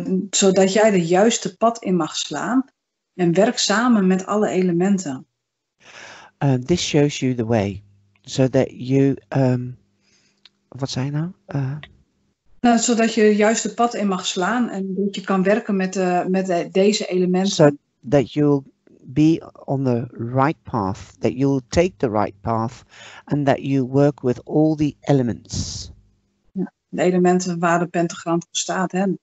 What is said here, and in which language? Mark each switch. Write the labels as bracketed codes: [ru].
[nl] Zodat jij de juiste pad in mag slaan en werk samen met alle elementen. [en] This shows you the way, so that you, [nl] wat zei je nou? Zodat je de juiste pad in mag slaan en dat je kan werken met deze elementen. [en] So that you'll be on the right path, that you'll take the right path and that you work with all the elements. [nl] De elementen waar de pentagram voor staat, hè?